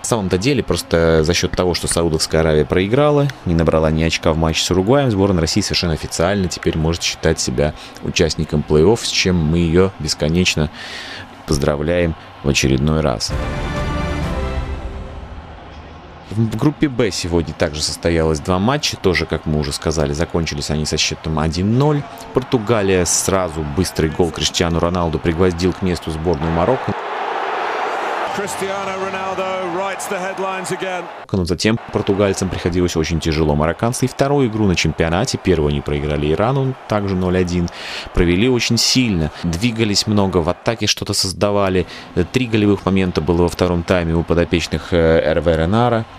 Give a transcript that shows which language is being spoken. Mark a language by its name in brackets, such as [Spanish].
[Russian] В самом-то деле, просто за счет того, что Саудовская Аравия проиграла, не набрала ни очка в матче с Уругваем, сборная России совершенно официально теперь может считать себя участником плей-офф, с чем мы ее бесконечно поздравляем в очередной раз. В группе Б сегодня также состоялось два матча, тоже, как мы уже сказали, закончились они со счетом 1-0. Португалия сразу быстрый гол Криштиану Роналду пригвоздил к месту сборную Марокко. [English] Криштиану Роналду writes the headlines again. [Russian] Но затем португальцам приходилось очень тяжело. Марокканцы и вторую игру на чемпионате, первую они проиграли Ирану, также 0-1, провели очень сильно. Двигались много, в атаке что-то создавали. Три голевых момента было во втором тайме у подопечных Эрве Ренара.